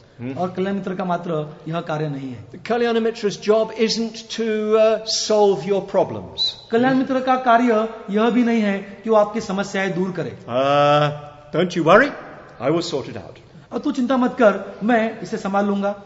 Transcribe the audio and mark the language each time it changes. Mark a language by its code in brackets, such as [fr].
[hi] और कल्याण मित्र का मात्र यह कार्य नहीं है. [en] The Kalyana Mitra's job isn't to solve your problems. [hi] कल्याण मित्र का कार्य यह भी नहीं है कि वो आपकी समस्याएं दूर करे. [en] Don't you worry, I will sort it out. [hi] अब तू चिंता मत कर, मैं इसे संभाल लूंगा.